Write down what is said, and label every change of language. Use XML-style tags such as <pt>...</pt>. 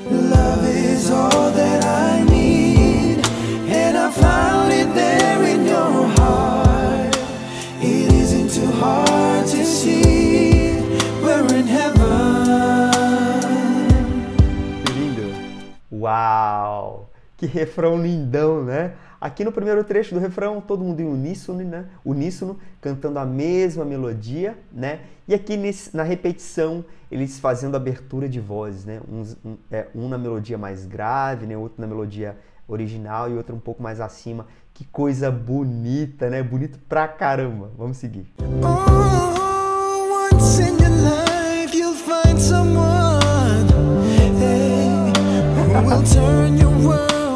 <en>Love is all that I need, and I found it there in your heart. It isn't too hard to see we're in heaven.</en> <pt>Que lindo! Uau! Que refrão lindão, né? Aqui no primeiro trecho do refrão, todo mundo em uníssono, né? Uníssono, cantando a mesma melodia, né? E aqui na repetição, eles fazendo abertura de vozes, né? Um na melodia mais grave, né? Outro na melodia original e outro um pouco mais acima. Que coisa bonita, né? Bonito pra caramba. Vamos seguir.</pt> <en>Oh, once in your life you'll find someone, hey, who will turn your world.</en>